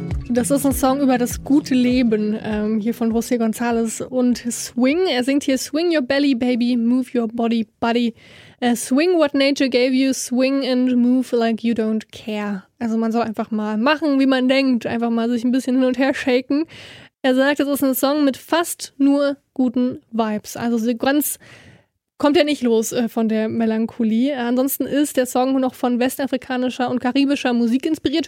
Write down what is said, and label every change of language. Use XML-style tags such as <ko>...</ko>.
<de>Das ist ein Song über das gute Leben hier von José González und Swing. Er singt hier</de> <en>Swing your belly, baby, move your body, buddy. Swing what nature gave you, swing and move like you don't care.</en> <de>Also man soll einfach mal machen, wie man denkt, einfach mal sich ein bisschen hin und her shaken. Er sagt, es ist ein Song mit fast nur guten Vibes. Also so ganz kommt ja nicht los von der Melancholie. Ansonsten ist der Song noch von westafrikanischer und karibischer Musik inspiriert.</de>